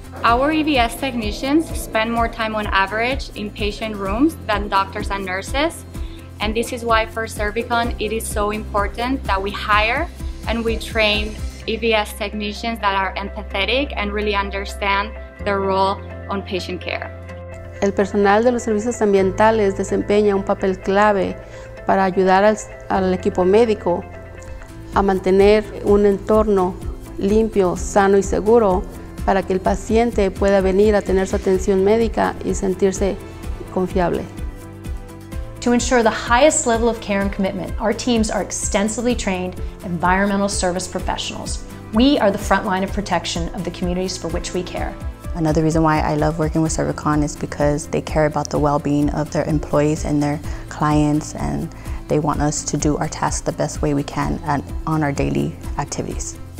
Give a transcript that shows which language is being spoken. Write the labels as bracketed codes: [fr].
[en] Our EVS technicians spend more time on average in patient rooms than doctors and nurses. And this is why for Servicon, it is so important that we hire and we train EVS technicians that are empathetic and really understand their role on patient care. [es] El personal de los servicios ambientales desempeña un papel clave para ayudar al equipo médico a mantener un entorno limpio, sano y seguro, para que el paciente pueda venir a tener su atención médica y sentirse confiable. [en] To ensure the highest level of care and commitment, our teams are extensively trained environmental service professionals. We are the front line of protection of the communities for which we care. Another reason why I love working with Servicon is because they care about the well-being of their employees and their clients, and they want us to do our tasks the best way we can and on our daily activities.